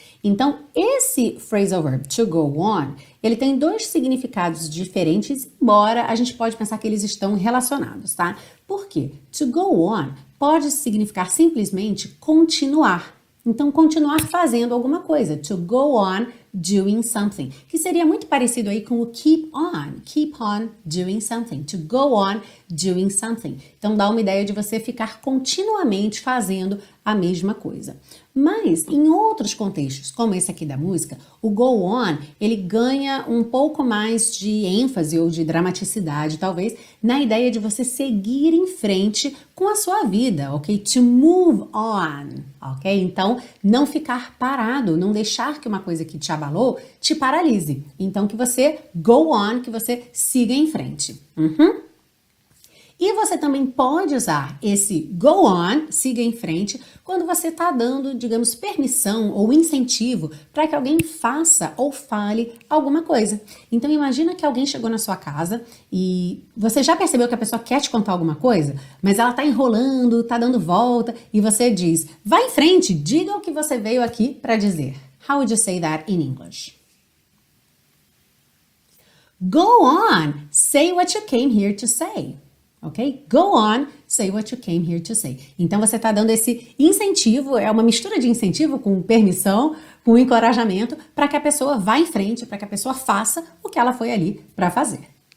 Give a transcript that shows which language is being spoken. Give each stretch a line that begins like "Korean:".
Portuguese: Então, esse phrasal verb, to go on, ele tem dois significados diferentes, embora a gente pode pensar que eles estão relacionados, tá? Por quê? To go on pode significar simplesmente continuar. Então, continuar fazendo alguma coisa.
English: To go on doing something.
Portuguese: Que seria muito parecido aí com o keep on.
English: Keep on doing something. To go on doing something.
Portuguese: Então, dá uma ideia de você ficar continuamente fazendo a mesma coisa. Mas, em outros contextos, como esse aqui da música, o go on, ele ganha um pouco mais de ênfase ou de dramaticidade, talvez, na ideia de você seguir em frente com a sua vida, ok?
English: To move on, ok?
Portuguese: Então, não ficar parado, não deixar que uma coisa que te abalou te paralise. Então, que você go on, que você siga em frente. Uhum. E você também pode usar esse go on, siga em frente, quando você está dando, digamos, permissão ou incentivo para que alguém faça ou fale alguma coisa. Então, imagina que alguém chegou na sua casa e você já percebeu que a pessoa quer te contar alguma coisa, mas ela está enrolando, está dando volta e você diz, vá em frente, diga o que você veio aqui para dizer.
English: How would you say that in English? Go on, say what you came here to say. Ok? Go on, say what you came here to say.
Portuguese: Então, você está dando esse incentivo, é uma mistura de incentivo com permissão, com encorajamento, para que a pessoa vá em frente, para que a pessoa faça o que ela foi ali para fazer.